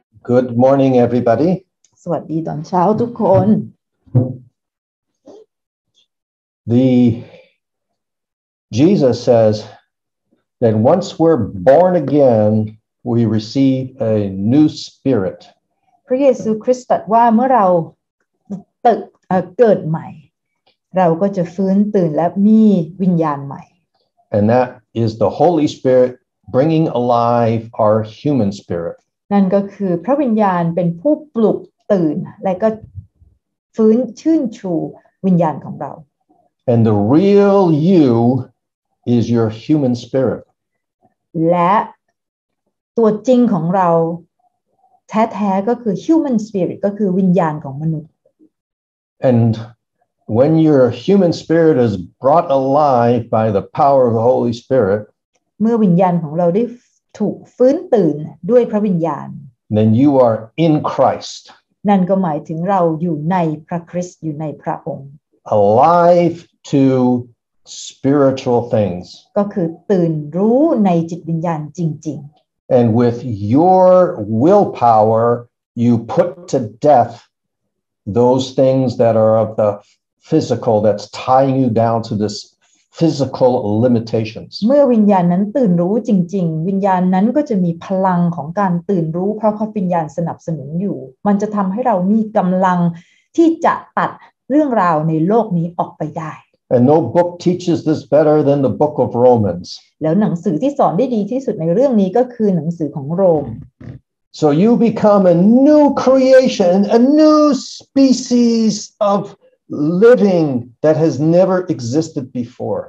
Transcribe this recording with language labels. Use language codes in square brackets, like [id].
[en] Good morning, everybody. [th] สวัสดีตอนเช้าทุกคน [en] The Jesus says that once we're born again, we receive a new spirit. [th] พระเยซูคริสต์ตรัสว่าเมื่อเราเกิดใหม่เราก็จะฟื้นตื่นและมีวิญญาณใหม่ [en] And that is the Holy Spirit bringing alive our human spirit. [th] นั่นก็คือพระวิญญาณเป็นผู้ปลุกตื่นและก็ฟื้นชื่นชูวิญญาณของเรา [en] And the real you is your human spirit [th] และตัวจริงของเราแท้ๆก็คือ [en] human spirit [th] ก็คือวิญญาณของมนุษย์ [en] And when your human spirit is brought alive by the power of the Holy Spirit [th] เมื่อวิญญาณของเราได้ถูกฟื้นตื่นด้วยพระวิญญาณ [en] Then you are in Christ [th] นั่นก็หมายถึงเราอยู่ในพระคริสต์อยู่ในพระองค์ [en] alive to spiritual things [th] ก็คือตื่นรู้ในจิตวิญญาณจริง [en] ๆ and with your willpower you put to death those things that are of the physical that's tying you down to thisphysical limitations [th] เมื่อวิญญาณนั้นตื่นรู้จริงๆวิญญาณนั้นก็จะมีพลังของการตื่นรู้เพราะพระวิญญาณสนับสนุนอยู่มันจะทำให้เรามีกำลังที่จะตัดเรื่องราวในโลกนี้ออกไปได้ [en] And no book teaches this better than the book of Romans [th] แล้วหนังสือที่สอนได้ดีที่สุดในเรื่องนี้ก็คือหนังสือของโรม [en] So you become a new creation a new species ofliving that has never existed before